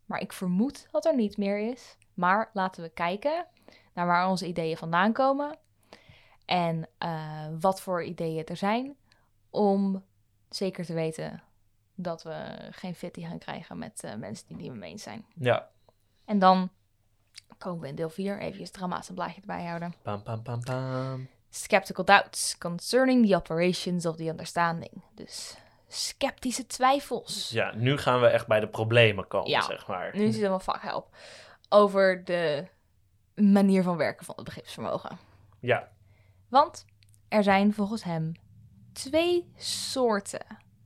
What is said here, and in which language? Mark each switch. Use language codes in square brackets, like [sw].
[nl] Maar ik vermoed dat er niet meer is. Maar laten we kijken naar waar onze ideeën vandaan komen. En wat voor ideeën er zijn. Om zeker te weten dat we geen fitty gaan krijgen met mensen die niet mee eens zijn. Ja. En dan komen we in deel 4. Even het dramaatse blaadje erbij houden. Bam, bam, bam, bam. [en] Skeptical doubts concerning the operations of the understanding. [nl] Dus sceptische twijfels. Ja, nu gaan we echt bij de problemen komen, zeg maar. Nu is het allemaal fuck help. Over de manier van werken van het begripsvermogen. Ja. Want er zijn volgens hem twee soorten...